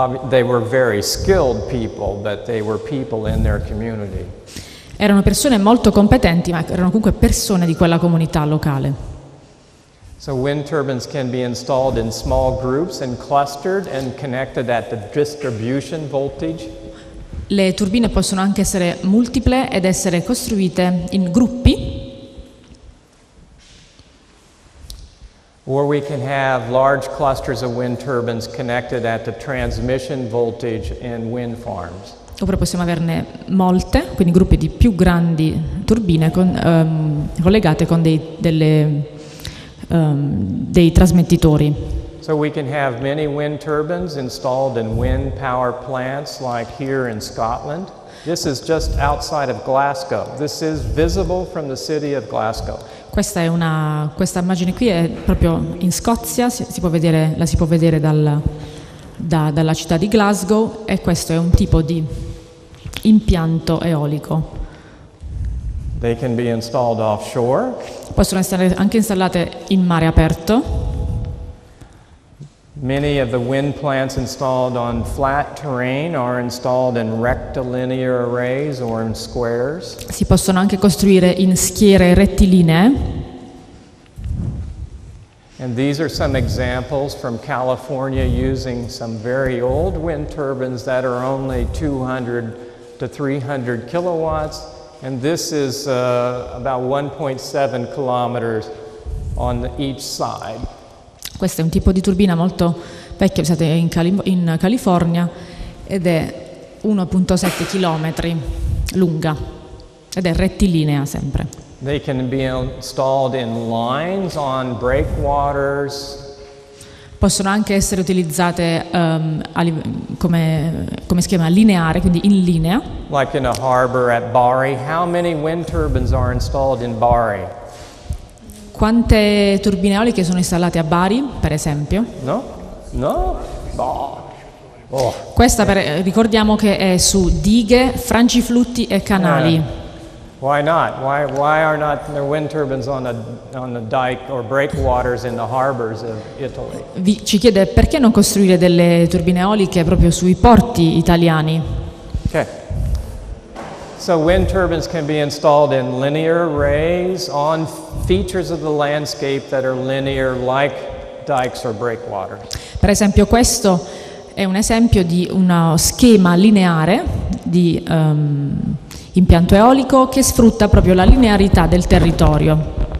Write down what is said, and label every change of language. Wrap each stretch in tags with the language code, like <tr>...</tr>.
<en>They were very skilled people, but they were people in their community.</en> <it>Erano persone molto competenti, ma erano comunque persone di quella comunità locale.</it> <en>So wind turbines can be installed in small groups and clustered and connected at the distribution voltage.</en> <it>Le turbine possono anche essere multiple ed essere costruite in gruppi.</it> <en>Or we can have large clusters of wind turbines connected at the transmission voltage in wind farms.</en> <it>Oppure possiamo averne molte, quindi gruppi di più grandi turbine con, collegate con dei, delle, dei trasmettitori.</it> <en>So we can have many wind turbines installed in wind power plants like here in Scotland. This is just outside of Glasgow. This is visible from the city of Glasgow.</en> <it>Questa è una, questa immagine qui è proprio in Scozia, si può vedere, la si può vedere dal, da, dalla città di Glasgow, e questo è un tipo di impianto eolico.</it> <en>They can be installed offshore.</en> <it>Possono essere anche installate in mare aperto.</it> <en>Many of the wind plants installed on flat terrain are installed in rectilinear arrays or in squares.</en> <it>Si possono anche costruire in schiere rettilinee.</it> <en>And these are some examples from California using some very old wind turbines that are only 200 to 300 kilowatts, and this is about 1.7 kilometers on each side.</en> <it>Questo è un tipo di turbina molto vecchio, usato in, in California, ed è 1.7 km lunga ed è rettilinea sempre.</it> <en>They can be installed in lines on breakwaters.</en> <it>Possono anche essere utilizzate come, come schema lineare, quindi in linea.</it> <en>Like in a harbor at Bari. How many wind turbines are installed in Bari?</en> <it>Quante turbine eoliche sono installate a Bari, per esempio?</it> <en>No? No? Oh.</en> <it>Questa, per, ricordiamo che è su dighe, frangiflutti e canali.</it> <en>Why not? Why are not there wind turbines on the dike or breakwaters in the harbors of Italy?</en> <it>Vi, ci chiede perché non costruire delle turbine eoliche proprio sui porti italiani?</it> <en>Okay. So wind turbines can be installed in linear arrays on features of the landscape that are linear, like dikes or breakwaters.</en> <it>Per esempio, questo è un esempio di uno schema lineare di impianto eolico che sfrutta proprio la linearità del territorio.</it>